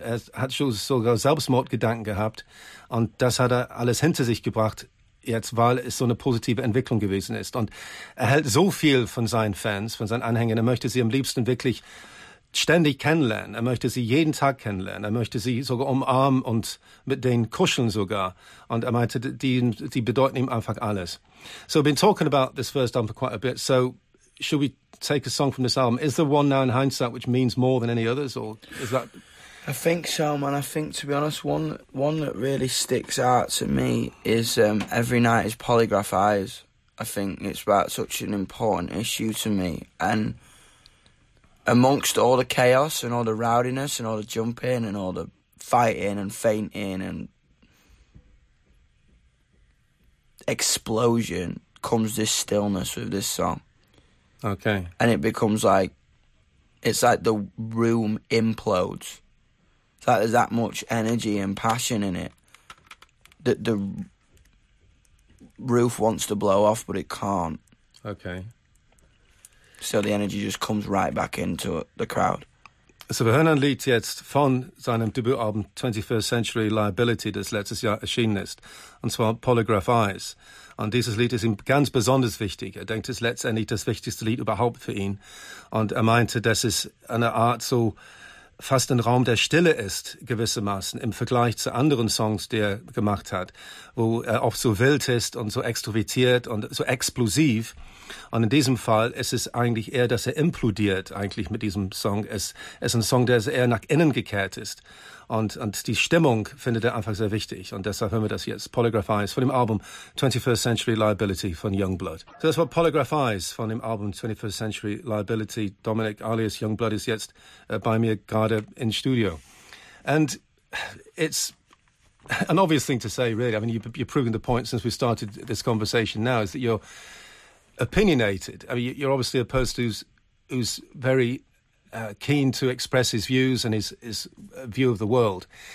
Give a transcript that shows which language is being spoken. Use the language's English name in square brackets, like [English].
[German] Er hat schon sogar Selbstmordgedanken gehabt. Und das hat er alles hinter sich gebracht, jetzt, weil es so eine positive Entwicklung gewesen ist. Und er hält so viel von seinen Fans, von seinen Anhängern. Er möchte sie am liebsten wirklich ständig kennenlernen. Er möchte sie jeden Tag kennenlernen. Er möchte sie sogar umarmen und mit denen kuscheln sogar. Und er meinte, die bedeuten ihm einfach alles. [English] So, I've been talking about this first album for quite a bit. So, should we take a song from this album? Is there one now in hindsight which means more than any others, or is that? I think so, man. I think, to be honest, one that really sticks out to me is Every Night is Polygraph Eyes. I think it's about such an important issue to me. And amongst all the chaos and all the rowdiness and all the jumping and all the fighting and fainting and explosion comes this stillness with this song. Okay. And it becomes like, it's like the room implodes. It's like there's that much energy and passion in it that the roof wants to blow off, but it can't. Okay. So the energy just comes right back into the crowd. [German] So wir hören ein Lied jetzt von seinem Debütalbum 21st Century Liability, das letztes Jahr erschienen ist, und zwar Polygraph Eyes. Und dieses Lied ist ihm ganz besonders wichtig. Er denkt, es ist letztendlich das wichtigste Lied überhaupt für ihn. Und er meinte, dass es eine Art so fast ein Raum der Stille ist, gewissermaßen, im Vergleich zu anderen Songs, die er gemacht hat, wo er oft so wild ist und so extrovertiert und so explosiv. Und in diesem Fall ist es eigentlich eher, dass er implodiert eigentlich mit diesem Song. Es ist ein Song, der eher nach innen gekehrt ist. Und die Stimmung findet er einfach sehr wichtig. Und deshalb hören wir das jetzt. Polygraph Eyes von dem Album 21st Century Liability von Youngblood. So das war Polygraph Eyes von dem Album 21st Century Liability. Dominic alias Youngblood ist jetzt bei mir gerade im Studio. [English] And it's an obvious thing to say, really. I mean, you're proving the point since we started this conversation now, is that you're opinionated. I mean, you're obviously a person who's very keen to express his views and his view of the world.